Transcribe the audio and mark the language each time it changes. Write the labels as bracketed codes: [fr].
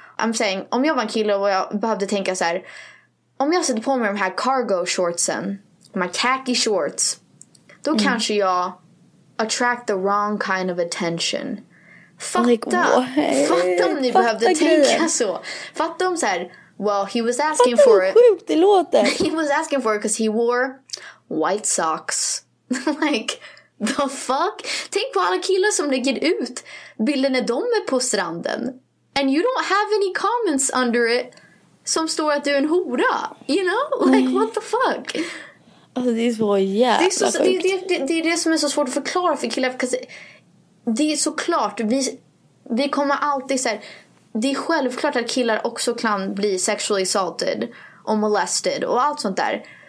[sv] I'm saying, om jag var en kille och jag behövde tänka så här, om jag sätter på mig de här cargo shortsen, [en] my khaki shorts, [sv] då kanske jag [en] attract the wrong kind of attention. [sv] Fatta om ni behövde tänka så. Fatta om så här, [en] well, he was asking for it. [sv] Fatta hur sjukt det låter. [en] He was asking for it because he wore white socks. Like, the fuck? [sv] Tänk på alla killar som ligger ut bilden när de är på stranden. [en] And you don't have any comments under it [sv] som står att du är en hora. [en] You know? Like, what the fuck? [sv] Alltså, det är så jävla sjukt. Det är det som är så svårt att förklara för killar. Because det är såklart, vi kommer alltid så här, det är självklart att killar också kan bli [en] sexually assaulted [sv] och molested och allt sånt där.